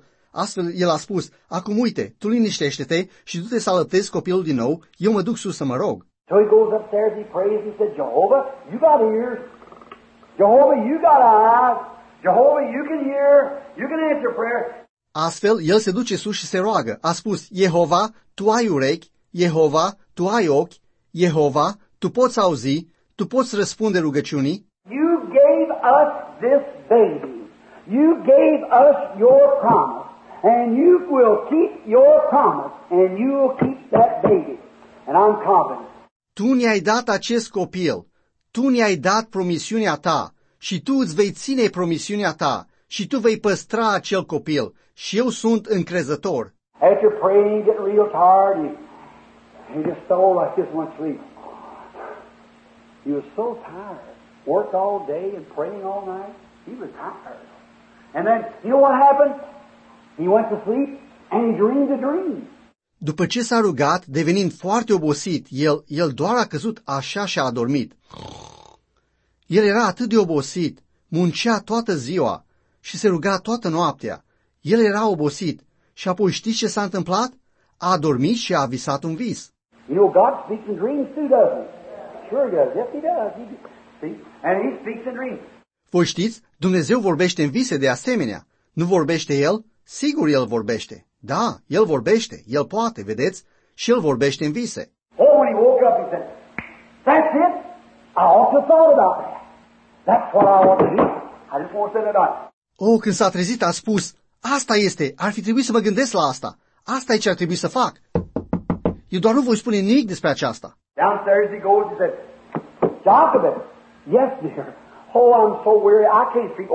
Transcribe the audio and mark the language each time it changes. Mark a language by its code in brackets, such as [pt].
[ro] Astfel el a spus, acum uite, tu liniștește-te și du-te să alăptezi copilul din nou. Eu mă duc sus să mă rog. [en] So he goes upstairs, he prays, he said, Jehovah, you got ears. Jehovah, you got eyes. Jehovah, you can hear. You can answer prayer. [ro] Astfel, el se duce sus și se roagă. A spus, Jehova, tu ai urechi, Jehova, tu ai ochi, Jehova, tu poți auzi, tu poți răspunde rugăciunii. [en] You gave us this baby. You gave us your promise. And you will keep your promise. And you will keep that baby. And I'm confident. [ro] Tu ne-ai dat acest copil. Tu ne-ai dat promisiunea ta. Și tu îți vei ține promisiunea ta. Și tu vei păstra acel copil. Și eu sunt încrezător. [en] After praying, get real tired, he just stole like this one sleep. He was so tired. Worked all day and praying all night. He was tired. And then, you know what happened? He went to sleep and he dreamed a dream. [ro] După ce s-a rugat, devenind foarte obosit, el doar a căzut așa și a adormit. El era atât de obosit, muncea toată ziua și se ruga toată noaptea. El era obosit și apoi știți ce s-a întâmplat? A adormit și a visat un vis. [en] You know, God speaks in dreams too, doesn't he? Sure does. Yes, he does. See? And he speaks in dreams. [ro] Voi știți, Dumnezeu vorbește în vise de asemenea. Nu vorbește El? Sigur El vorbește. Da, El vorbește. El poate, vedeți? Și El vorbește în vise. [en] Oh, when he woke up, he said, that's it. I ought to have thought about that. That's what I ought to do. I just want to say that. [ro] Oh, când s-a trezit, a spus, asta este, ar fi trebuit să mă gândesc la asta. Asta e ce ar trebui să fac. Eu doar nu voi spune nimic despre aceasta. [en] Downstairs he goes, he said, Jacobin, yes, dear. Oh, I'm so weary, I can't sleep.